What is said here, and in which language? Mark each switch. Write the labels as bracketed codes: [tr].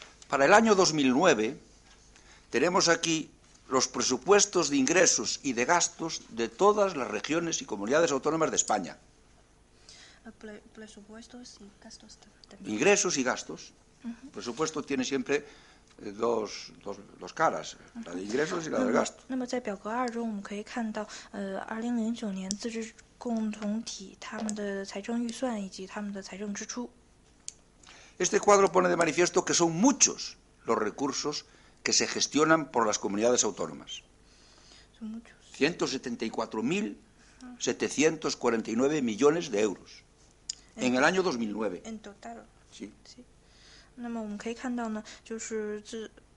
[es] Para el año 2009 tenemos aquí los presupuestos de ingresos y de gastos de todas las regiones y comunidades autónomas de España. Presupuestos y gastos. Ingresos y gastos. Presupuesto tiene siempre dos caras, la de ingresos y la de gastos. [zh] 那么在表格二中，我们可以看到，2009年自治共同体他们的财政预算以及他们的财政支出。 [es] Este cuadro pone de manifiesto que son muchos los recursos que se gestionan por las comunidades autónomas. Son muchos. 174.749 millones de euros en el año 2009. En total. Sí. Sí. [zh] 那么我们可以看到呢，就是这。